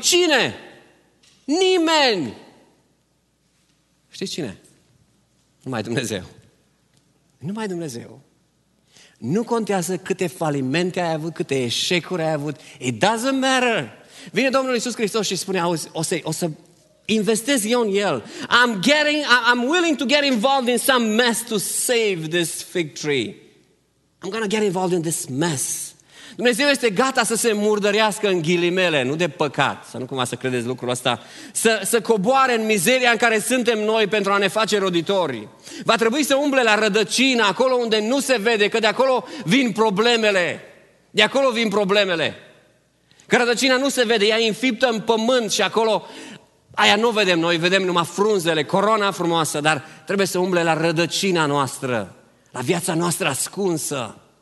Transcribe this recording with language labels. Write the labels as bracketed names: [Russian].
[Romanian] Cine? Nimeni. Știți cine? Numai Dumnezeu. Numai Dumnezeu. Nu contează câte falimente ai avut, câte eșecuri ai avut. [English] It doesn't matter. [Romanian] Vine Domnul Iisus Hristos și spune: auzi, o să investesc eu în el. [English] I'm willing to get involved in some mess to save this fig tree. I'm gonna get involved in this mess. [Romanian] Dumnezeu este gata să se murdărească în ghilimele, nu de păcat, să nu cumva să credeți lucrul ăsta, să coboare în mizeria în care suntem noi pentru a ne face roditori. Va trebui să umble la rădăcină, acolo unde nu se vede, că de acolo vin problemele. De acolo vin problemele. Că rădăcina nu se vede, ea e înfiptă în pământ și acolo, aia nu vedem noi, vedem numai frunzele, corona frumoasă, dar trebuie să umble la rădăcina noastră, la viața noastră ascunsă.